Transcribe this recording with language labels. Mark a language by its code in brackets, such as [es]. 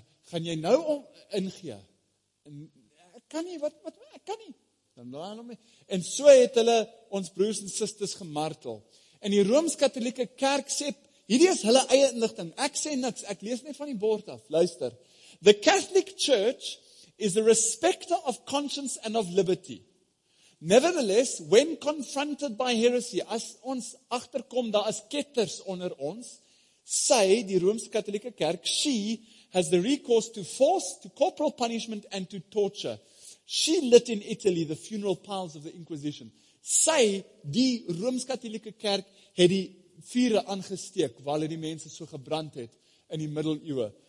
[af] Gaan jy nou om ingee? Ek kan nie, wat, ek kan nie. Dan draai hulle om mee. En so het hulle ons broers en sisters gemartel. En die Rooms-Katolieke kerk sê, hierdie is hulle eie inligting, ek sê niks, ek lees net van die bord af, luister. [en] The Catholic Church is a respecter of conscience and of liberty. Nevertheless, when confronted by heresy, [af] as ons agterkom, daar is ketters onder ons, sy, die Rooms-Katolieke kerk, [en] she has the recourse to force, to corporal punishment and to torture. She lit in Italy the funeral piles of the Inquisition. [af] Sy, die Rooms-Katolieke kerk, het die vure aangesteek, waar hulle die mense so gebrand het in die middeleeuwe.